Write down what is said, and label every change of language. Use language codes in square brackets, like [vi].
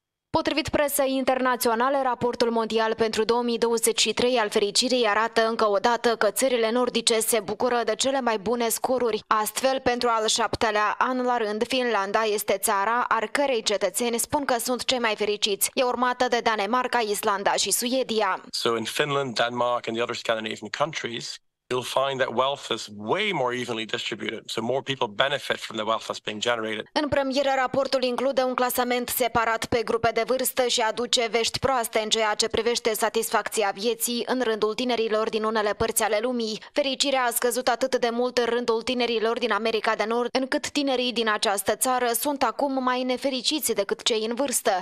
[ro] Potrivit presei internaționale, raportul mondial pentru 2023 al fericirii arată încă o dată că țările nordice se bucură de cele mai bune scoruri. Astfel, pentru al 7-lea an la rând, Finlanda este țara al cărei cetățeni spun că sunt cei mai fericiți. E urmată de Danemarca, Islanda și Suedia. [en] So in Finland, Denmark and the other Scandinavian countries, you'll find that wealth is way more evenly distributed, so more people benefit from the wealth that's being generated. [ro] În premieră, raportul include un clasament separat pe grupe de vârstă și aduce vești proaste în ceea ce privește satisfacția vieții în rândul tinerilor din unele părți ale lumii. Fericirea a scăzut atât de mult în rândul tinerilor din America de Nord, încât tinerii din această țară sunt acum mai nefericiți decât cei în vârstă.